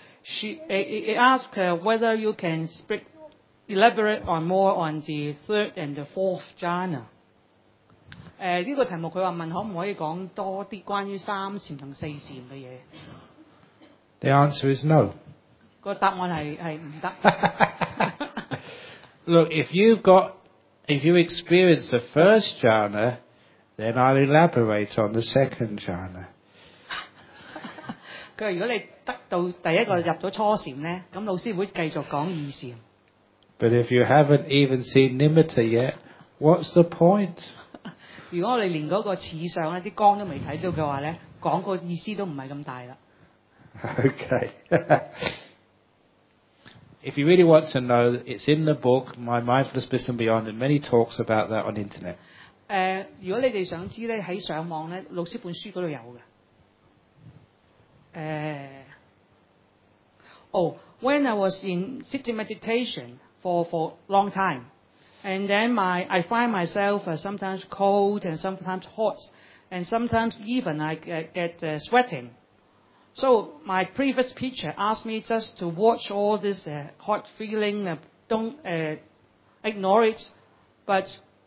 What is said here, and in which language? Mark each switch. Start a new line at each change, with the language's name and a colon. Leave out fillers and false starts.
English: She asks whether you can elaborate on more on the third and the fourth jhana.
Cantonese: 呢个题目佢话问可唔可以讲多啲关于三禅同四禅嘅嘢。
English: The answer is no.
Cantonese: 个答案系唔得。
English: Look, if you experience the first jhana. Then I'll elaborate on the second jhana.
Cantonese: 佢如果你得到第一个入咗初禅咧，咁老师会继续讲二禅。
English: But if you haven't even seen nimitta yet, what's the point?
Cantonese: 如果我哋连嗰个似相咧，啲光都未睇到嘅话咧，讲个意思都唔系咁大啦。
English: Okay. If you really want to know, it's in the book, My Mindfulness Bliss and Beyond, and many talks about that on the internet.
Cantonese: 如果你哋想知咧，喺上網咧，老師本書嗰度有嘅。
English: When I was in sitting meditation for long time, and then I find myself sometimes cold and sometimes hot, and sometimes even I get sweating. So my previous teacher asked me just to watch all this hot feeling, ignore it, but.